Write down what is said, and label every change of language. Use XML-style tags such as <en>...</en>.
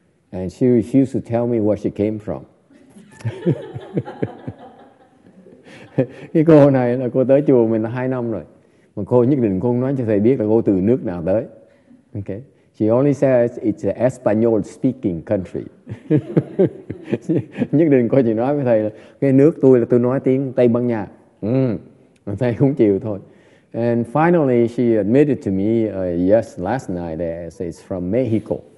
<en>And she refused to tell me where she came from.</en> <vi>Cái cô này là cô tới chùa mình là 2 năm rồi. Mà cô nhất định cô không nói cho thầy biết là cô từ nước nào tới.</vi> <en>Okay. She only says it's an Espanol speaking country.</en> <vi>Nhất định cô chỉ nói với thầy là cái nước tôi là tôi nói tiếng Tây Ban Nha. Thầy không chịu thôi.</vi> <en>And finally she admitted to me yes last night that it's from Mexico.</en>